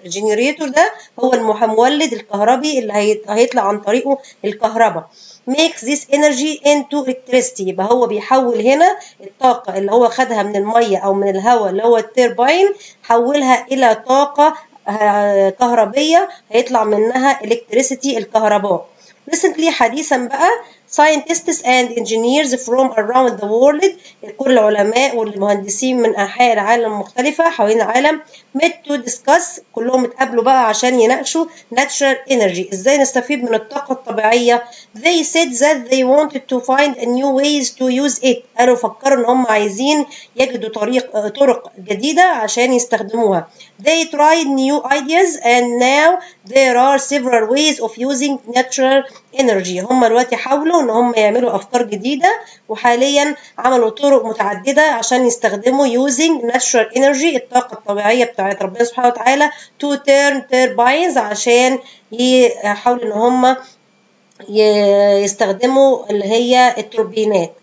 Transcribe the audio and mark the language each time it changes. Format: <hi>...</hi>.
<ar>الجنريتور ده هو المولد الكهربي اللي هيطلع عن طريقه الكهرباء.</ar> <en>Makes this energy into electricity.</en> <ar>يبقى هو بيحول هنا الطاقة اللي هو خدها من المية أو من الهواء اللي هو التيربين حولها إلى طاقة كهربية هيطلع منها electricity الكهرباء. Recently حديثا بقى</ar> <en>scientists and engineers from around the world</en> <ar>كل العلماء والمهندسين من أنحاء العالم المختلفة حوالين العالم</ar> <en>met to discuss</en> <ar>كلهم اتقابلوا بقى عشان يناقشوا</ar> <en>natural energy</en> <ar>ازاي نستفيد من الطاقة الطبيعية.</ar> <en>They said that they wanted to find a new ways to use it.</en> <ar>قالوا فكروا ان هم عايزين يجدوا طرق جديدة عشان يستخدموها.</ar> <en>They tried new ideas and now there are several ways of using natural energy.</en> <ar>هم دلوقتي حاولوا ان هم يعملوا افكار جديده وحاليا عملوا طرق متعدده عشان يستخدموا</ar> <en>using natural energy</en> <ar>الطاقه الطبيعيه بتاعت ربنا سبحانه وتعالى</ar> <en>to turn turbines</en> <ar>عشان يحاولوا ان هم يستخدموا اللي هي التوربينات.</ar>